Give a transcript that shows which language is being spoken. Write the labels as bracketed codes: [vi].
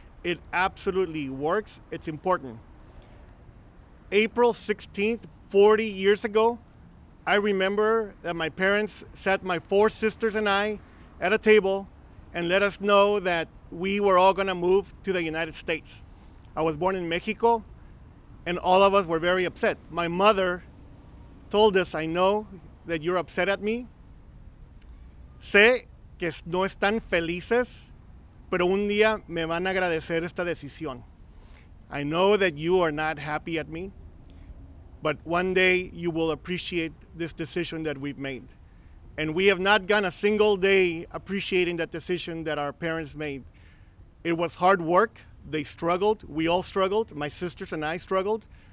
[en] It absolutely works. It's important. April 16th, 40 years ago, I remember that my parents sat my four sisters and I at a table and let us know that we were all gonna move to the United States. I was born in Mexico, and all of us were very upset. My mother told us, "I know that you're upset at me. [es] Sé que no están felices, pero un día me van a agradecer esta decisión. [en] I know that you are not happy at me, but one day you will appreciate this decision that we've made." And we have not gone a single day appreciating that decision that our parents made. It was hard work. They struggled. We all struggled. My sisters and I struggled.